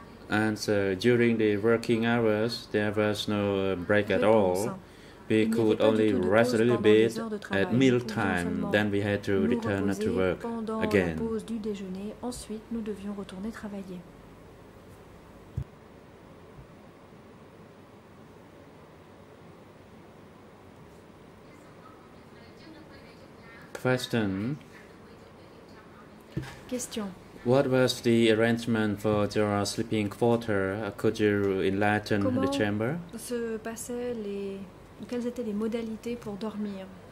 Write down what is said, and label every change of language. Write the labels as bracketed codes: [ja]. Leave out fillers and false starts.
[en] Answer, during the working hours, there was no break at all. We could only rest a little bit at meal time, then we had to return to work again. [fr] La pause du déjeuner, ensuite nous devions retourner travailler. [en] Question. Question. What was the arrangement for your sleeping quarter? Could you enlighten [fr] Comment [en] the chamber? [fr] Se passaient les Quelles étaient les modalités pour dormir?